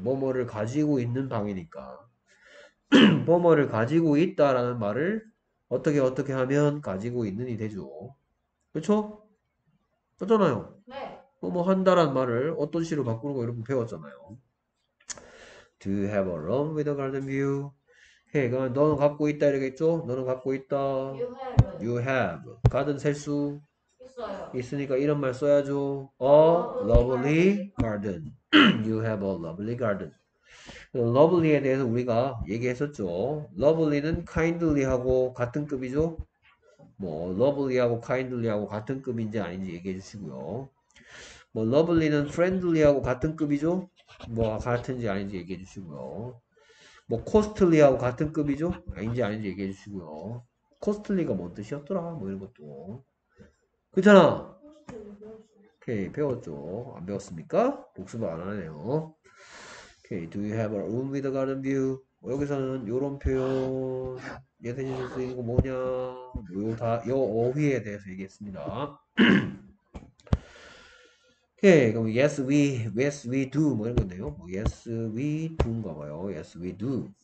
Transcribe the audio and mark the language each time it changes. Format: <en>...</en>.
<ko>뭐뭐를 가지고 있는 방이니까 뭐뭐를 가지고 있다 라는 말을 어떻게 어떻게 하면 가지고 있는이 되죠. 그쵸? 썼잖아요. 네. 뭐뭐 한다 라는 말을 어떤 식으로 바꾸는 거 여러분 배웠잖아요.</ko> <en>Do you have a room with a garden view?</en> <ko>헤이, 그러면 너는 갖고 있다 이러겠죠? 너는 갖고 있다.</ko> <en>You have.</en> <ko>가든 셀 수 있어요. 있으니까 이런 말 써야죠.</ko> <en>A lovely garden. You have a lovely garden.</en> <ko>Lovely에 대해서 우리가 얘기했었죠. Lovely는 kindly하고 같은 급이죠. 뭐 lovely하고 kindly하고 같은 급인지 아닌지 얘기해 주시고요. 뭐 lovely는 friendly하고 같은 급이죠. 뭐 같은지 아닌지 얘기해 주시고요. 뭐 코스틀리하고 같은 급이죠? 아닌지 아닌지 얘기해 주시고요. 코스틀리가 뭔 뜻이었더라? 뭐 이런 것도 그렇잖아? 오케이, 배웠죠? 안 배웠습니까? 복습을 안 하네요.</ko> <en>오케이, Do you have a room with a garden view?</en> <ko>뭐 여기서는 이런 표현 얘 대신 쓸 수 있는 거 뭐냐? 요 다 요 어휘에 대해서 얘기했습니다. 오케이, 그럼</ko> <en>yes we do</en> <ko>뭐 이런 건데요.</ko> <en>yes we do인가 봐요. yes we do.</en>